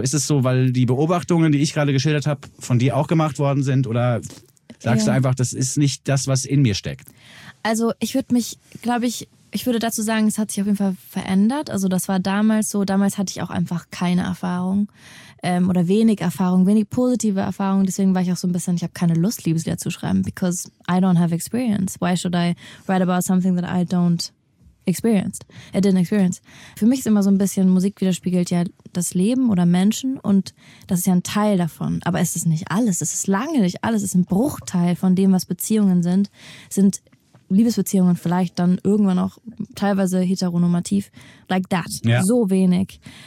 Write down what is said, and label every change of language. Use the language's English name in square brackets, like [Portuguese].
[German] Ist es so, weil die Beobachtungen, die ich gerade geschildert habe, von dir auch gemacht worden sind oder sagst du einfach, das ist nicht das, was in mir steckt? Also ich würde mich, glaube ich, ich würde dazu sagen, es hat sich auf jeden Fall verändert. Also das war damals so. Damals hatte ich auch einfach keine Erfahrung oder wenig Erfahrung, wenig positive Erfahrung. Deswegen war ich auch so ein bisschen, ich habe keine Lust, Liebeslieder zu schreiben. [English] Because I don't have experience. Why should I write about something that I don't experience? I didn't experience. [German] Für mich ist immer so ein bisschen, Musik widerspiegelt ja das Leben oder Menschen. Und das ist ja ein Teil davon. Aber es ist nicht alles. Es ist lange nicht alles. Es ist ein Bruchteil von dem, was Beziehungen sind. Sind Liebesbeziehungen vielleicht dann irgendwann auch teilweise heteronormativ, [English] like that, [German] so wenig.